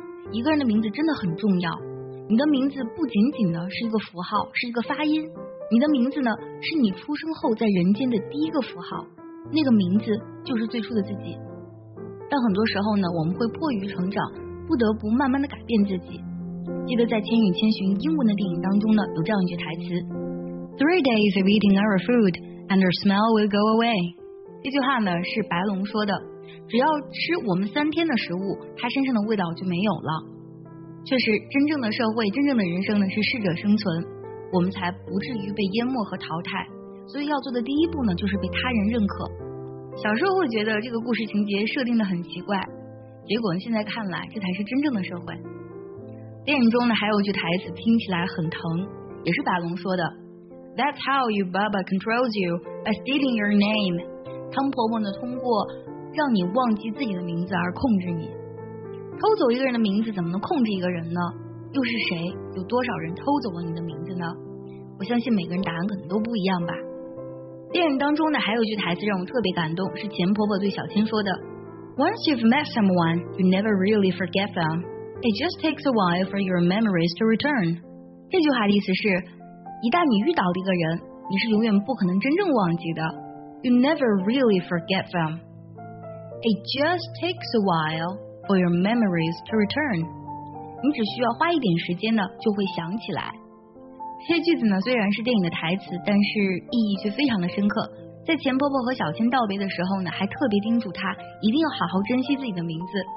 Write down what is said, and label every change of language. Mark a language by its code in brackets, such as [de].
[zh] 一个人的名字真的很重要，你的名字不仅仅呢是一个符号，是一个发音，你的名字呢是你出生后在人间的第一个符号，那个名字就是最初的自己。但很多时候呢，我们会迫于成长，不得不慢慢的改变自己。记得在《千与千寻》英文的电影当中呢，有这样一句台词。 [en] 3 days of eating our food and our smell will go away. [zh] 这句话呢是白龙说的，只要吃我们3天的食物，它身上的味道就没有了。确实，真正的社会，真正的人生呢是适者生存，我们才不至于被淹没和淘汰。所以要做的第一步呢，就是被他人认可。小时候会觉得这个故事情节设定的很奇怪，结果现在看来，这才是真正的社会。电影中呢还有一句台词听起来很疼，也是白龙说的。 [en] That's how your Baba controls you by stealing your name. [zh] 汤婆婆呢，通过让你忘记自己的名字而控制你。偷走一个人的名字，怎么能控制一个人呢？又是谁？有多少人偷走了你的名字呢？我相信每个人答案可能都不一样吧。电影当中呢，还有一句台词让我特别感动，是钱婆婆对小千说的 ： [en] “Once you've met someone, you never really forget them. It just takes a while for your memories to return.” [zh] 这句话的意思是。一旦你遇到了一个人，你是永远不可能真正忘记的。 [en] You never really forget them. It just takes a while for your memories to return. [zh] 你只需要花一点时间呢，就会想起来。这些句子呢，虽然是电影的台词，但是意义却非常的深刻。在钱婆婆和小千道别的时候呢，还特别叮嘱她一定要好好珍惜自己的名字。